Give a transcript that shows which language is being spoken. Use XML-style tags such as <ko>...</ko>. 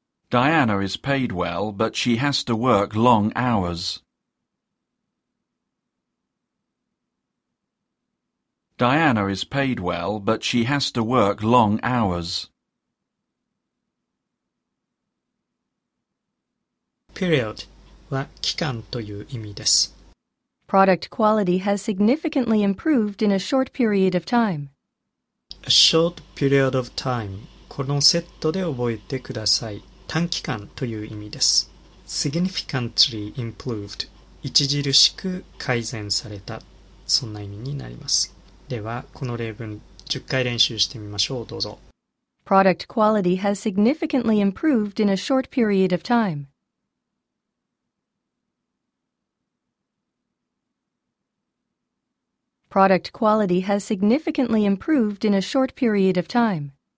<en>Diana is paid well, but she has to work long hours. Diana is paid well, but she has to work long hours.</en> <ja>Period は期間という意味です。</ja> <en>Product quality has significantly improved in a short period of time. A short period of time.</en> <ja>このセットで覚えてください。短期間という意味です。</ja> <en>Significantly improved.</en> <ja>著しく改善された。そんな意味になります。では、この例文10回練習してみましょう。どうぞ。</ja> <en>Product quality has significantly improved in a short period of time. Product quality has significantly improved in a short period of time.</en>